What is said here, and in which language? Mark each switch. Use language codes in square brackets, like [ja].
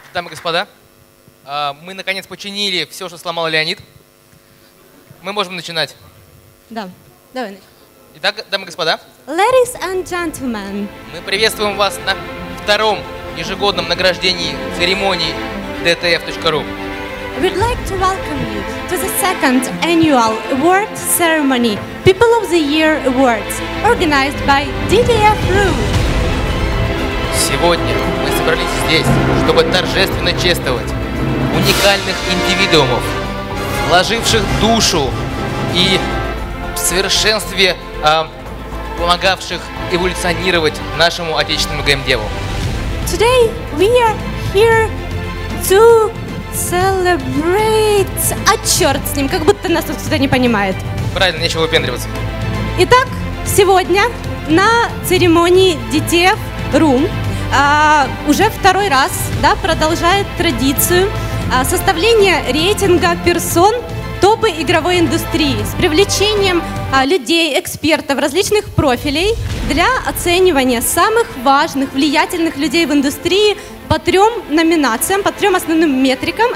[ru] господа, мы наконец починили все, что сломал Леонид. Мы можем начинать. Да, давай начнем. Итак, дамы и господа. [en] Ladies and gentlemen. [ru] Мы приветствуем вас на втором ежегодном награждении церемонии DTF.ru. [en] We'd like to welcome you to the second annual award ceremony People of the Year Awards, organized by DTF.ru. [ru] Сегодня мы собрались здесь, чтобы торжественно чествовать уникальных индивидуумов, вложивших душу и в совершенстве помогавших эволюционировать нашему отечественному геймдеву. [en] Today we are here to celebrate. [ru] А черт с ним, как будто нас тут сюда не понимает. Правильно, нечего выпендриваться. Итак, сегодня на церемонии DTF Room уже второй раз, да, продолжает традицию составления рейтинга персон топы игровой индустрии с привлечением людей, экспертов различных профилей для оценивания самых важных, влиятельных людей в индустрии по трем номинациям, по трем основным метрикам.